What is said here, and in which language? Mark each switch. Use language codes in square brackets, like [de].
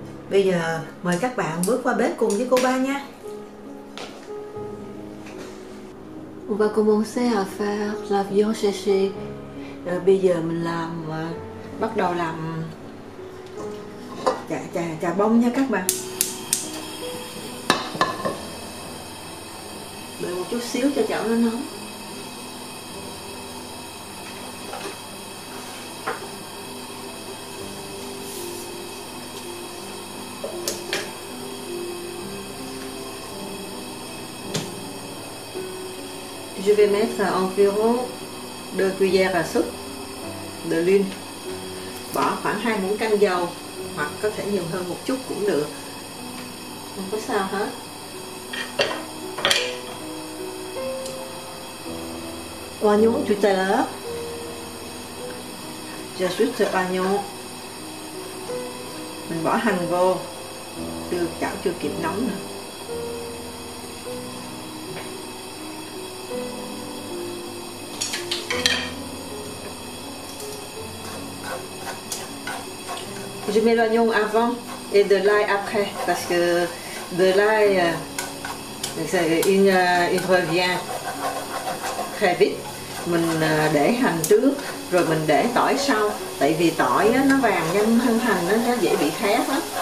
[vi] Bây giờ mời các bạn bước qua bếp cùng với cô Ba nha. [fr] On va commencer à faire la viande séchée. [vi] Bây giờ mình làm bắt đầu làm chà bông nha các bạn. Để một chút xíu cho chảo nó nóng. [fr] Je vais mettre environ 2 cuillères à soupe de l'huile. [vi] Bỏ khoảng 2 muỗng canh dầu hoặc có thể nhiều hơn một chút cũng được. Không có sao hết. [fr] Oignon tout à l'heure. J'ajoute oignon. [vi] Mình bỏ hành vô. Chưa chảo chưa kịp nóng nữa. [fr] Je mets l'oignon avant et de l'ail après parce que de l'ail, il revient très vite. [vi] Mình để hành trước rồi mình để tỏi sau, tại vì tỏi nó vàng nhanh hơn hành, nó dễ bị khét lắm.